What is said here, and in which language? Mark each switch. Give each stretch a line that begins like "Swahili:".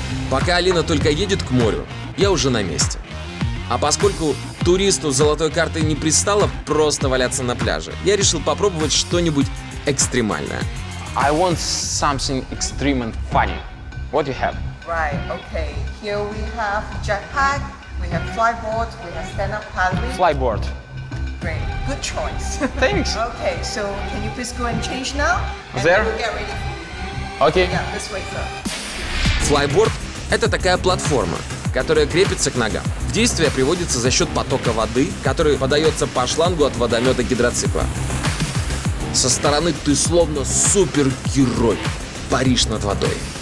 Russian: Пока Алина только едет к морю, я уже на месте. А поскольку туристу с золотой картой не пристало просто валяться на пляже, я решил попробовать что-нибудь экстремальное.
English: I want something extreme and funny. What do you have? Right, okay. Here we have jetpack, we have flyboard, we have stand-up paddling. Flyboard. Great, good choice. Thanks. Okay, so can you please go and change now? And there? We'll get ready. Okay. Yeah, this way, sir.
Russian: Flyboard – это такая платформа, которая крепится к ногам. В действие приводится за счет потока воды, который подается по шлангу от водомета гидроцикла. Со стороны ты словно супергерой, паришь над водой.